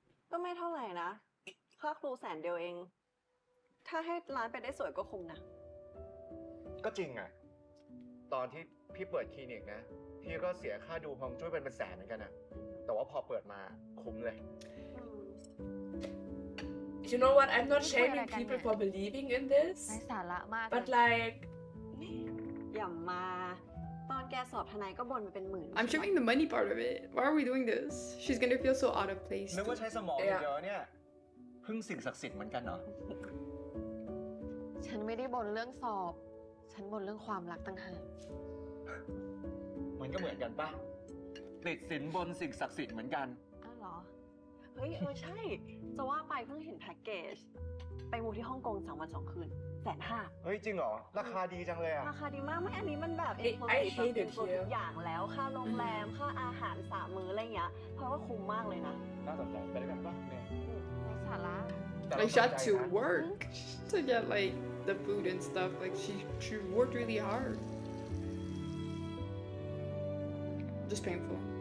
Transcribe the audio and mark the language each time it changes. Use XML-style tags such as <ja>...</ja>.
<th>ก็ไม่เท่าไหร่นะค่าครูแสนเดียวเองถ้าให้ร้านไปได้สวยก็คุ้มนะ ก็จริงอ่ะตอนที่พี่เปิดคลินิกนะพี่ก็เสียค่าดูฮองจุ้ยเป็นแสนเหมือนกันอ่ะแต่ว่าพอเปิดมาคุ้มเลย</th> <en>You know what? I'm not shaming people for believing in this.</en> <th>ไร้สาระมาก</th> <en>But like</en> <th>อย่ามาตอนแกสอบทนายก็บ่นมาเป็นหมื่น</th> <en>I'm showing the money part of it Why are we doing this She's gonna feel so out of place</en> <th>นึกว่าใช้สมองเดียวเนี่ยพึ่งสิ่งศักดิ์สิทธิ์เหมือนกันเหรอ ฉันไม่ได้บ่นเรื่องสอบฉันบ่นเรื่องความรักต่างหาก มันก็เหมือนกันป่ะติดสินบนสิ่งศักดิ์สิทธิ์เหมือนกัน เหรอเฮ้ยเออใช่จะว่าไปเพิ่งเห็นแพ็กเกจไปมูที่ฮ่องกง2วัน2คืน เฮ้ยจริงเหรอราคาดีจังเลยอะ ราคาดีมากไม่อันนี้มันแบบ ไอ้ที เด็ดทุกอย่างแล้วค่าโรงแรมค่าอาหาร3มื้ออะไรอย่างเงี้ยเพราะว่าคุ้มมากเลยนะ น่าสนใจไปได้กันป่ะ เนี่ยไม่สา</th> <en>ระ I shot to work to get like the food and stuff like she worked really hard just painful</en>